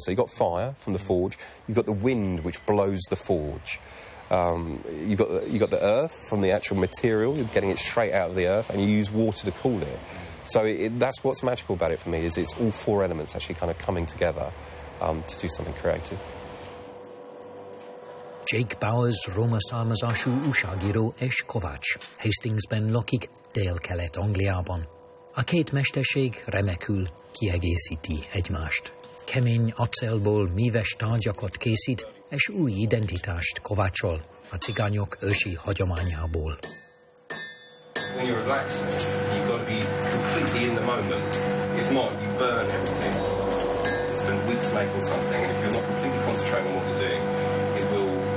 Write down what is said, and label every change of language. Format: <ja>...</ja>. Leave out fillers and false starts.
<en>So you've got fire from the forge, you've got the wind which blows the forge. You've got the earth from the actual material, you're getting it straight out of the earth, and you use water to cool it. So that's what's magical about it for me, is it's all four elements actually kind of coming together. To do something creative.</en> <hu>Jake Bowers, roma származású újságíró és kovács. Hastingsben lakik, dél-kelet Angliában. A két mesterség remekül kiegészíti egymást. Kemény acélból míves tárgyakat készít, és új identitást kovácsol a cigányok ősi hagyományából.</hu> <en>When you're relaxed, you've got to be completely in the moment. If not, you burn everything. Spend weeks making something, and if you're not completely concentrating on what you're doing, it will burn.</en>